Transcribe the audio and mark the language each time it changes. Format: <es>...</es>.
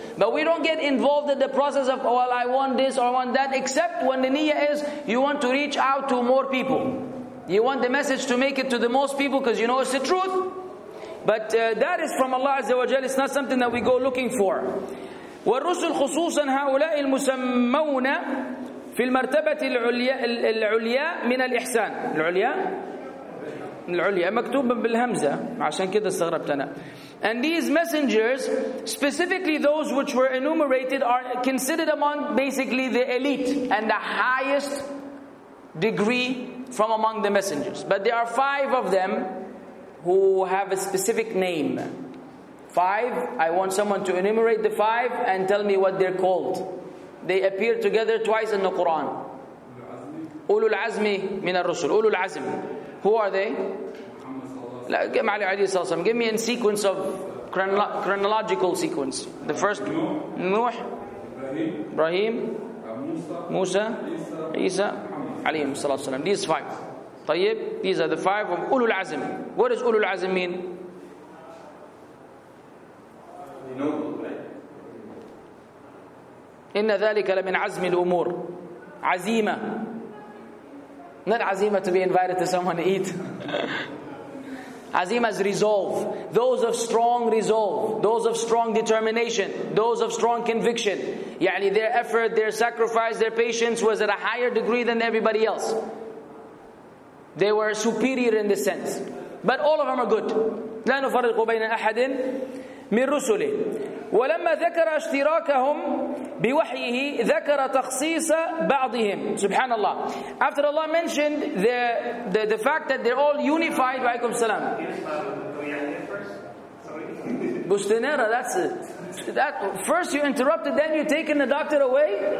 <en>But we don't get involved in the process of, well, I want this or I want that, except when the niyyah is, you want to reach out to more people. You want the message to make it to the most people because you know it's the truth. But that is from Allah Azza wa Jal. It's not something that we go looking for.</en> <ar>والرسل خصوصا هؤلاء المسمون في المرتبة العليا من الإحسان. العليا مكتوب بالهمزة عشان كده استغربت أنا.</ar> <en>And these messengers, specifically those which were enumerated, are considered among basically the elite and the highest degree from among the messengers. But there are five of them who have a specific name. Five, I want someone to enumerate the five and tell me what they're called. They appear together twice in the Quran. Ulul Azmi min al-Rusul. Ulul Azm. Who are they? Muhammad. Give me a sequence of chronological sequence. The first, Nuh, Ibrahim, Musa, Isa, alayhim salatu wasalam. These five. Tayyib, these are the five of Ulul Azm. What does Ulul Azm mean?</en> <ar>إن ذلك لمن عزم الأمور عزيمة.</ar> <en>Not عزيمة to be invited to someone to eat. عزيمة is resolve. Those of strong resolve. Those of strong determination. Those of strong conviction. يعني their effort, their sacrifice, their patience was at a higher degree than everybody else. They were superior in this sense. But all of them are good.</en> <ar>لا نفرق بين أحد من رسله. ولما ذكر اشتراكهم بوحيه ذكر تخصيص بعضهم. سبحان الله.</ar> <en>After Allah mentioned the fact that they're all unified,</en> <ar>وعليكم السلام.</ar> <en>بستنيرة, that's it. That first you interrupted, then you taking the doctor away.</en>